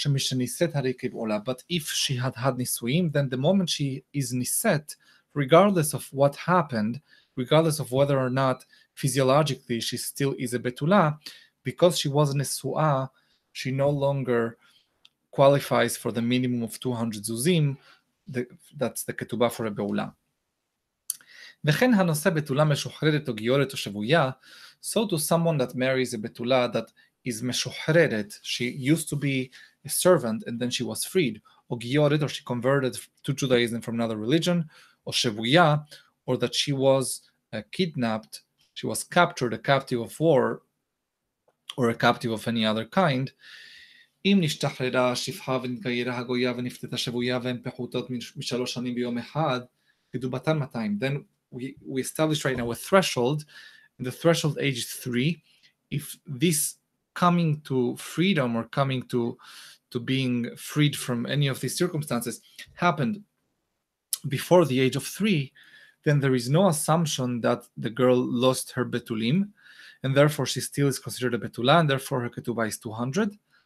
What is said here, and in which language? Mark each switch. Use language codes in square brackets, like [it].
[en] But if she had had Nisuim, then the moment she is Niset, regardless of what happened, regardless of whether or not physiologically she still is a Betula, because she was Nesua, she no longer qualifies for the minimum of 200 Zuzim, that's the Ketubah for a Beula. [he] וכן הנושא בתולה משוחררת או גיורת או שבויה, [en] so to someone that marries a betula that is [he] משוחררת, [en] she used to be a servant and then she was freed, [he] או גיורת, [en] or she converted to Judaism from another religion, [he] או שבויה, [en] or that she was kidnapped, she was captured, a captive of war, or a captive of any other kind, [he] אם נשתחררה שפחה ונתגיירה הגויה ונפתתה שבויה והן פחותות משלוש שנים ביום אחד, כדובתן 200, [en] then we establish right now a threshold, and the threshold age is 3. If this coming to freedom or coming to being freed from any of these circumstances happened before the age of 3, then there is no assumption that the girl lost her betulim, and therefore she still is considered a betula, and therefore her ketubah is 200.